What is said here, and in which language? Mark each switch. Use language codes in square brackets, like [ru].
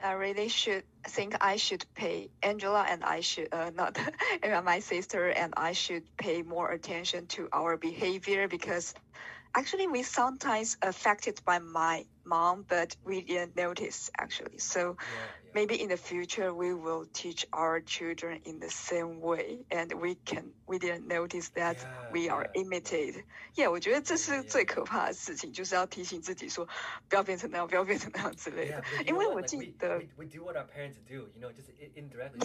[en] I really should think I should pay Angela and I should not my sister and I should pay more attention to our behavior, because actually we sometimes affected by my mom, but we didn't notice actually. So maybe in the future we will teach our children in the same way, and we didn't notice that we are imitated. [zh] Yeah, 我觉得这是最可怕的事情，就是要提醒自己说不要变成那样，不要变成那样之类的。 [en] Yeah, you know, [zh] 因为我 [en] like, [zh] 记得 [en] we do what our parents do, you know, just indirectly.